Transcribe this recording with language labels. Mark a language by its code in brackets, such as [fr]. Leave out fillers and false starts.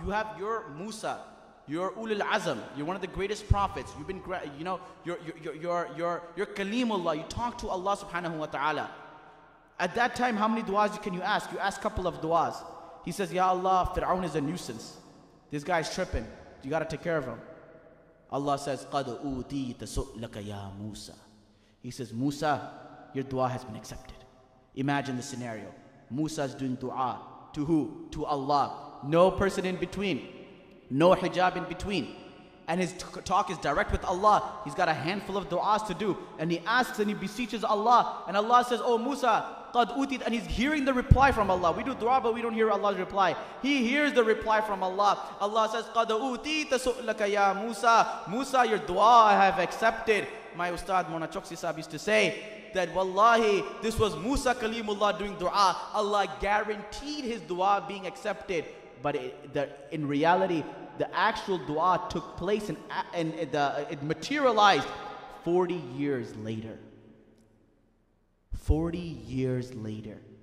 [en] You have your Musa. You're Ulul Azam. You're one of the greatest prophets. You've been, you know, you're Kaleemullah. You talk to Allah subhanahu wa ta'ala. At that time, how many du'as can you ask? You ask a couple of du'as. He says, Ya Allah, Fir'aun is a nuisance. This guy's tripping. You got to take care of him. Allah says, [ar] قَدْ أُوْتِيْتَ سُؤْلَكَ يَا مُوسَى. [en] He says, Musa, your du'a has been accepted. Imagine the scenario. Musa's doing du'a. To who? To Allah. No person in between. No hijab in between. And his talk is direct with Allah. He's got a handful of du'as to do. And he asks and he beseeches Allah. And Allah says, oh Musa, [ar] قَدْ أُوْتِيْتَ. [en] And he's hearing the reply from Allah. We do du'a, but we don't hear Allah's reply. He hears the reply from Allah. Allah says, [ar] قَدْ أُوْتِيْتَ سُؤْلَكَ يَا مُوسَى. [en] Musa, your du'a I have accepted. My ustad, Mona Choksi Sahib, used to say that, wallahi, this was Musa Kalimullah doing du'a. Allah guaranteed his du'a being accepted. But in reality, the actual du'a took place and it materialized 40 years later. 40 years later.